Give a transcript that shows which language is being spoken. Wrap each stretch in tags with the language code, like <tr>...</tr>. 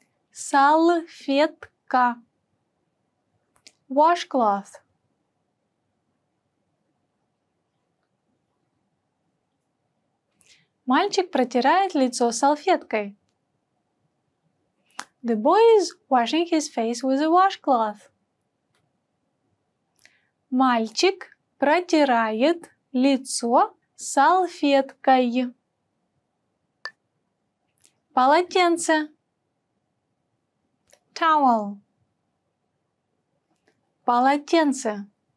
<ru>Салфетка.</ru> <en>Washcloth.</en> <ru>Мальчик протирает лицо салфеткой.</ru> <en>The boy is washing his face with a washcloth.</en> <ru>Мальчик протирает лицо салфеткой. Полотенце.</ru> <en>Towel.</en> <ru>Полотенце.</ru>